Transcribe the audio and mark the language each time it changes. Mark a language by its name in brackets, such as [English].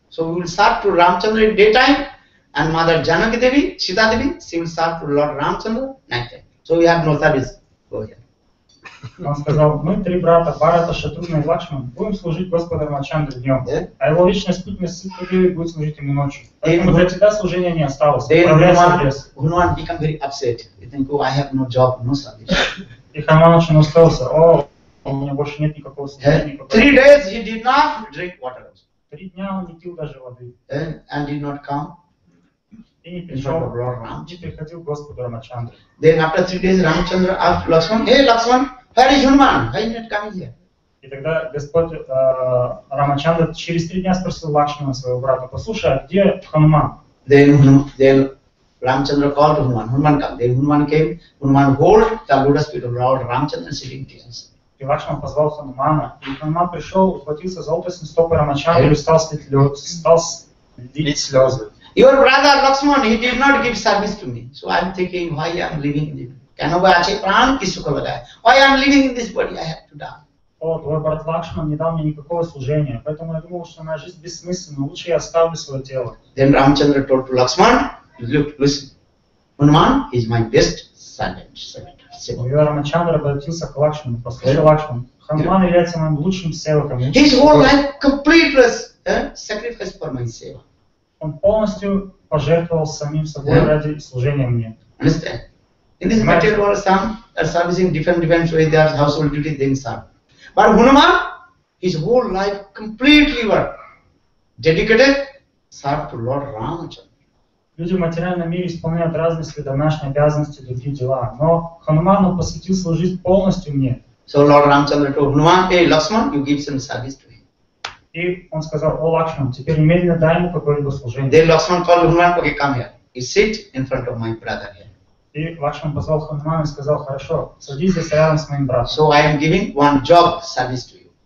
[English] So we will serve to Ramchandra in daytime, and Mother Janaki Devi, Sita Devi, she will serve to Lord Ramchandra nighttime. So we have no service. Go here. [Russian] Он сказал, мы три брата, Бхарата, Шатрухна и Лакшман, будем служить Господу Рамачандре днем, а его личная спутница Ситха Деви будет служить ему ночью. Поэтому для тебя служения не осталось. [English] Хануман became very upset. He think, oh, I have no job, no service. [Russian] И Хануман очень устроился. У меня больше нет никакого состояния. [English] Three days he did not drink water. [Russian] Три дня он не пил даже воды. [English] And did not come. [Russian] И не пришел. Не приходил к Господу Рамачандре. [English] Then after three days Рамачандра asked Лакшман, Hey Лакшман, where is Hanuman? Why not coming here? [Russian] И тогда Господь Рамачандра через три дня спросил Лакшмана своего брата, послушай, а где Хануман? [English] Then Ramchandra called Hanuman. Hanuman came. Then Hanuman came. Hanuman hold the lotus feet of Lord Ramchandra sitting tears. [Russian] И Лакшман позвал Ханумана, и Ханума пришел, ухватился за лотосные стопы Рамачандры и стал слить слезы. Стал слить слезы. [English] Your brother Lakshman, he did not give service to me, so I'm thinking why I'm living in this. Why I'm living in this body? I have to die. [Russian] о, твой брат Лакшман не дал мне никакого служения, поэтому я думал, что моя жизнь бессмысленна, лучше я оставлю свое тело. [English] Then Ramchandra told to Lakshman, look, listen, Hanuman is my best servant. [Russian] Ramchandra обратился к Лакшману, послушай, yeah. Лакшман, Хануман является моим лучшим севаком. [English] His whole life completeless sacrifice for my seva. [Russian] Он полностью пожертвовал самим собой yeah. ради служения мне. [English] Understand? In this material world, some are servicing different ways, they are household duty, then some. But Hanuman, his whole life completely were dedicated served to Lord Ramachandra. [Russian] Люди в материальном мире исполняют разные свои домашние обязанности, другие дела. Но Хануман посвятил свою жизнь полностью мне. [English] So Lord Ramachandra told Hanuman, hey Lakshman, you give some service to him. [Russian] И он сказал, о, Лакшман, теперь немедленно дай ему какое-либо служение. [English] Then Lakshman called Hanuman, okay, come here. You sit in front of my brother here. [Russian] И Лакшман позвал Хануман и сказал, хорошо, садись здесь рядом с моим братом. [English] So I am giving one job service to you.